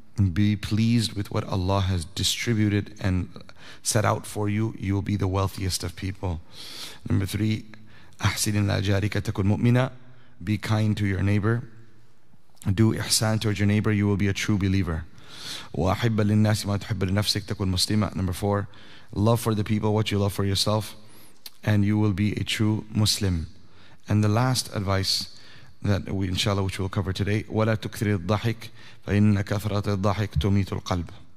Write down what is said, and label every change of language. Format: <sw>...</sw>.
<en>Be pleased with what Allah has distributed and set out for you, you will be the wealthiest of people. Number three,</en> <ar>أَحْسِنِ لَأَجَارِكَ تَكُنْ مُؤْمِنَ.</ar> <en>Be kind to your neighbor. Do ihsan towards your neighbor, you will be a true believer.</en> <ar>وَأَحِبَّ لِلنَّاسِ مَا تُحِبَّ لِنَفْسِكَ تَكُنْ مُسْلِمًا.</ar> <en>Number four, love for the people what you love for yourself, and you will be a true Muslim. And the last advice that we, inshallah, which we'll cover today,</en> <ar>وَلَا تُكْثِرِ الضَّحِكَ فَإِنَّ كَثْرَةَ الضَّحِكَ تُمِيتُ الْقَلْبِ.</ar>